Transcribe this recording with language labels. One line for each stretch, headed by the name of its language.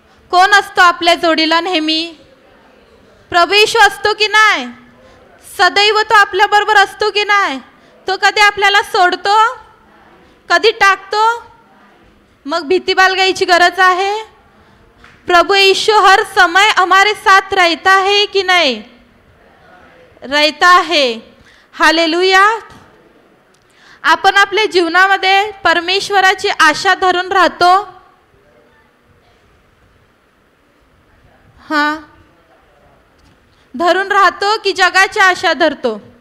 Marathi: कोण असतो आपल्या जोडीला नेहमी? प्रभू येशू असतो की नाही? सदैव तो आपल्या बरोबर असतो की नाही? तो कधी आपल्याला सोडतो? कधी टाकतो? मग भीती बाळगायची गरज आहे?
Hindi: प्रभु ईशू हर समय हमारे साथ रहता है कि नहीं? रहता है। हालेलुया।
Marathi: आपण आपल्या जीवनामध्ये परमेश्वराची आशा धरून राहतो? हाँ, धरून राहतो कि जगाची आशा धरतो?